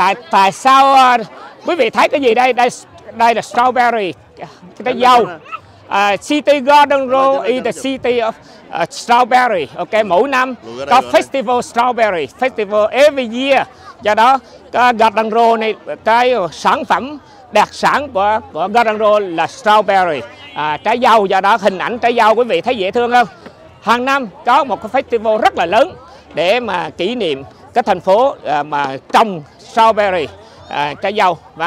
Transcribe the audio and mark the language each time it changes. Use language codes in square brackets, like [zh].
[vi] Tại sao quý vị thấy cái gì đây? Đây là strawberry, cái trái dâu. [en] City Garden Road is the city of strawberry. Ok, mỗi năm có festival strawberry, festival every year. [vi] Do đó, Garden Road này, cái sản phẩm đặc sản của Garden Road là strawberry, trái dâu. Do đó, hình ảnh trái dâu quý vị thấy dễ thương không? Hàng năm có một cái festival rất là lớn để mà kỷ niệm cái thành phố mà trồng strawberry, trái dâu.